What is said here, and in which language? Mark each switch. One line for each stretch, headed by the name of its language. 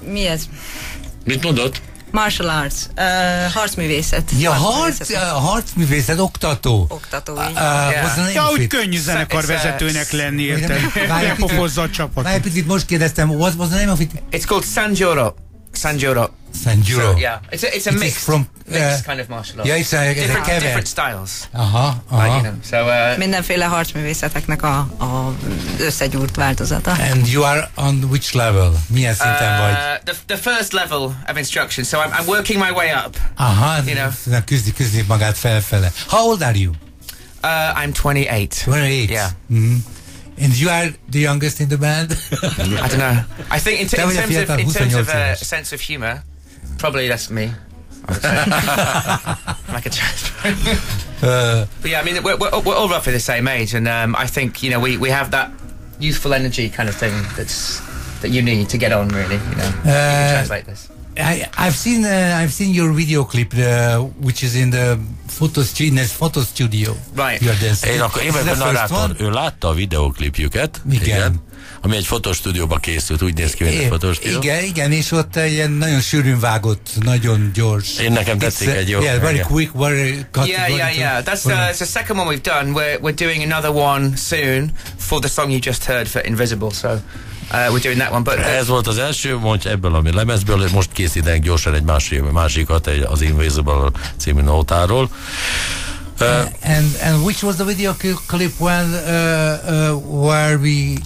Hungarian: Mi ez? Mit mondod?
English: Martial arts, harcművészet.
Hungarian: Ja, harcművészet, oktató. Oktató, igen. Yeah. Ja, úgy könnyű zenekarvezetőnek lenni, érted? Lepofozza a csapatot. Várj egy picit, most kérdeztem,
English: what was the name of it? It's called Sanjuro. San Juro. San Juro. So, yeah, it's a mixed kind of martial arts. Yeah, it's a different styles. Aha. You know, so
Hungarian: mindenféle harcművészeteknek a összegyúrt változata.
English: And you are on which level?
Hungarian: Milyen szinten vagy?
English: The first level of instruction. So I'm working my way up. Aha. You know.
Hungarian: Küzdi magát felfele.
English: How old are you? I'm 28. 28. Yeah. Mm-hmm. And you are the youngest in the band? I don't know. I think in terms of sense of humor, probably that's me. I'm like a child. But yeah, I mean, we're all roughly the same age, and I think, you know, we have that youthful energy kind of thing that you need to get on, really, you know, translate this. I've seen your video clip, which is in the photo studio. Right.
Hungarian: Én akkor ő látta a videoklipjüket. Igen. Ami egy fotostúdióba készült, úgy néz ki, hogy egy fotostúdió. Igen, és ott ilyen nagyon sűrűn vágott, nagyon gyors. Én nekem tetszik egy jó.
English: Yeah, very quick, very cut. Yeah. That's the second one we've done. We're doing another one soon for the song you just heard for Invisible, so... we're doing that one, but
Hungarian: ez volt az első, mondj ebből, ami lemezből, most készítenek gyorsan egy másikat, az Invisible című nótáról.
English: And which was the video clip when where we